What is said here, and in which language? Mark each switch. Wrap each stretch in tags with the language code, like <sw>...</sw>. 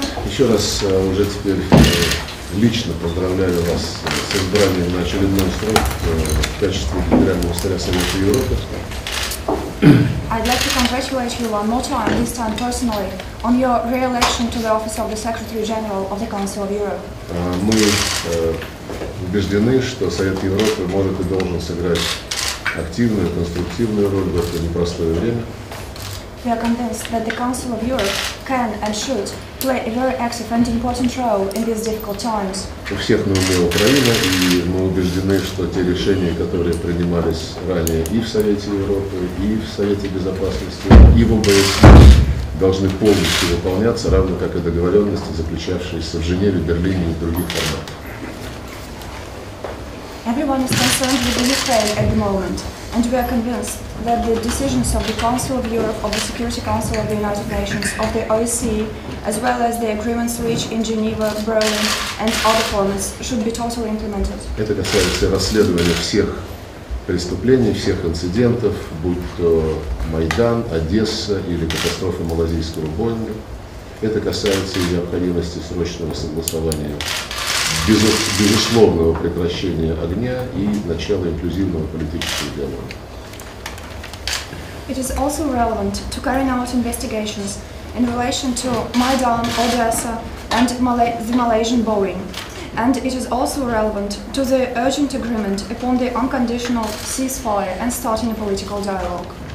<ru>Еще раз уже теперь лично поздравляю вас с избранием на очередной срок в качестве генерального секретаря Совета Европы.</ru> <en>I'd like to congratulate you one more time, this time personally, on your re-election to the office of the Secretary-General of the Council of Europe.</en> <ru>Мы убеждены, что Совет Европы может и должен сыграть активную, конструктивную роль в это непростое время.</ru> <en>We are convinced that the Council of Europe can and should play a very active and important role in these difficult times.</en> <ru>У всех на уме Украина, и мы убеждены, что те решения, которые принимались ранее и в Совете Европы, и в Совете Безопасности, и в ОБСЕ, должны полностью выполняться, равно как и договоренности, заключавшиеся в Женеве, Берлине и других форматах.</ru> <en>Everyone is concerned with the Ukraine at the moment, and we are convinced that the decisions of the Council of Europe, of the Security Council of the United Nations, of the OSCE, as well as the agreements reached in Geneva, Berlin, and other formats, should be totally implemented.</en> <ru>Это касается расследования всех преступлений, всех инцидентов, будь то Майдан, Одесса или катастрофа Малазийского Боинга. Это касается и необходимости срочного согласования безусловного прекращения огня и начала инклюзивного политического диалога.</ru> <en>It is also relevant to carry out investigations in relation to Майдан, Одесса and the Malaysian Boeing. And it is also relevant to the urgent agreement upon the unconditional ceasefire and starting a political dialogue.</en>